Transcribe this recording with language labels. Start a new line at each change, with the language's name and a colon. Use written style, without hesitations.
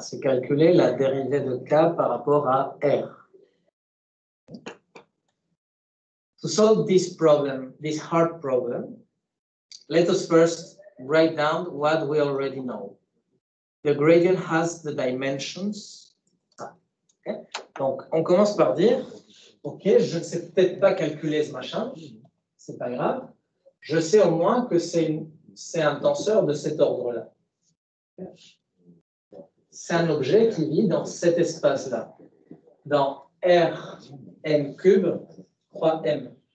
French: C'est calculer la dérivée de K par rapport à R.
English: To solve this problem, this hard problem, let us first write down what we already know. The gradient has the dimensions. Okay.
French: Donc, on commence par dire, ok, je ne sais peut-être pas calculer ce machin, c'est pas grave. Je sais au moins que c'est un tenseur de cet ordre-là. C'est un objet qui vit dans cet espace-là, dans Rm cube, 3m.